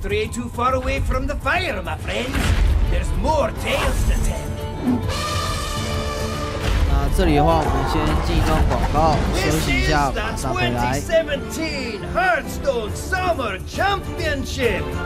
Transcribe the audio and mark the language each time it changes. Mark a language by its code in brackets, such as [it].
[en] too far away from the fire, my friend. There's more tales to tell. [zh] 那这里的话，我们先进一段广告，休息一下，马上回来。 [en] 2017 Hearthstone Summer Championship.